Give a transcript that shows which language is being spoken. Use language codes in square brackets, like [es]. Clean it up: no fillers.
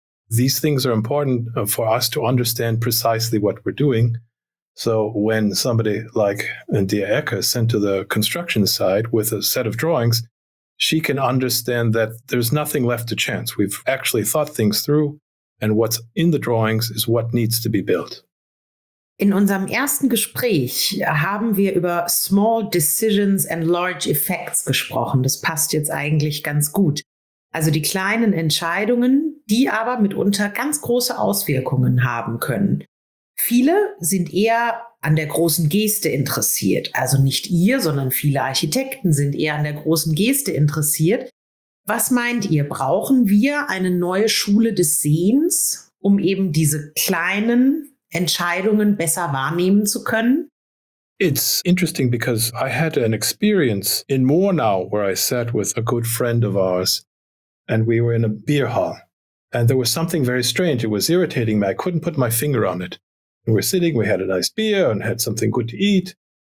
[en] These things are important for us to understand precisely what we're doing. So when somebody like Dia Ecker sent to the construction site with a set of drawings, she can understand that there's nothing left to chance. We've actually thought things through, and what's in the drawings is what needs to be built. [de] In unserem ersten Gespräch haben wir über [en] small decisions and large effects [de] gesprochen. Das passt jetzt eigentlich ganz gut. Also die kleinen Entscheidungen, die aber mitunter ganz große Auswirkungen haben können. Viele sind eher an der großen Geste interessiert. Also nicht ihr, sondern viele Architekten sind eher an der großen Geste interessiert. Was meint ihr, brauchen wir eine neue Schule des Sehens, um eben diese kleinen Entscheidungen besser wahrnehmen zu können? [en] It's interesting because I had an experience in Murnau where I sat with a good friend of ours and we were in a beer hall and there was something very strange. It was irritating me. I couldn't put my finger on it. We were sitting, we had a nice beer and had something good to eat.